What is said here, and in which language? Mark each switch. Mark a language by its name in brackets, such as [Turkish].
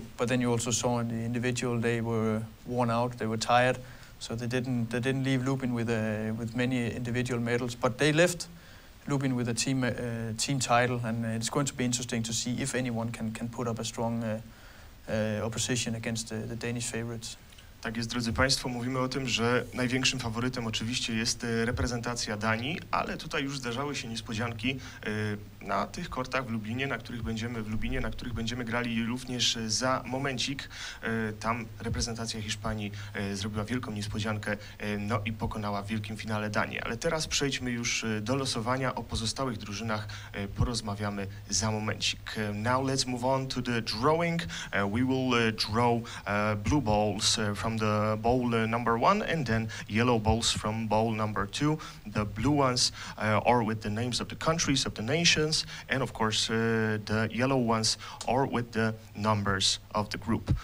[English] But then you also saw in the individual they were worn out, they were tired, so they didn't leave Lublin with many individual medals. But they left Lublin with a team title, and it's going to be interesting to see if anyone can put up a strong opposition against the Danish favorites. [Polish] Tak jest, drodzy Państwo, mówimy o tym, że największym faworytem oczywiście jest reprezentacja Danii, ale tutaj już zdarzały się niespodzianki na tych kortach w Lublinie, na których będziemy grali również za momencik. Tam reprezentacja Hiszpanii zrobiła wielką niespodziankę, no i pokonała w wielkim finale Danię. Ale teraz przejdźmy już do losowania, o pozostałych drużynach porozmawiamy za momencik. [English] Now let's move on to the drawing. We will draw blue balls from the bowl number one, and then yellow balls from bowl number two. The blue ones are with the names of the countries, of the nations, and of course the yellow ones are with the numbers of the group.